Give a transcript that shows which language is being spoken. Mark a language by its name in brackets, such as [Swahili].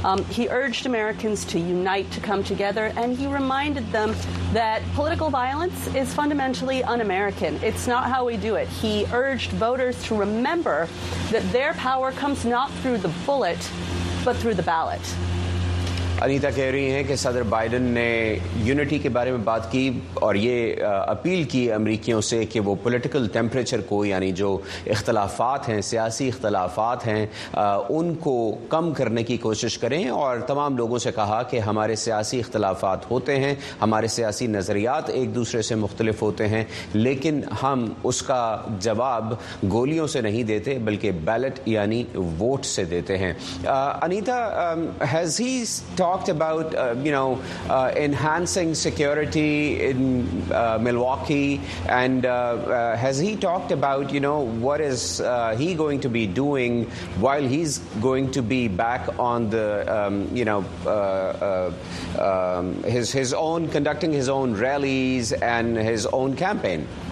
[English] He urged Americans to unite, to come together, and he reminded them that political violence is fundamentally un-American. It's not how we do it. He urged voters to remember that their power comes not through the bullet, but through the ballot. [Hindi] Anita कह रही हैं कि सदर Biden ने unity के बारे में बात की और ये अपील की अमरीकियों से कि वो पॉलिटिकल टेम्परेचर को, यानी जो इख्तलाफात हैं, सियासी इख्तलाफात हैं, उनको कम करने की कोशिश करें, और तमाम लोगों से कहा कि हमारे सियासी इख्तलाफात होते हैं, हमारे सियासी नज़रियात एक दूसरे से मुख्तलिफ होते हैं, लेकिन हम उसका जवाब गोलियों से नहीं देते बल्कि बैलेट यानी वोट से देते हैं। [English] Anita, has he talked about enhancing security in Milwaukee, and has he talked about what is he going to be doing while he's going to be back on the his own, conducting his own rallies and his own campaign?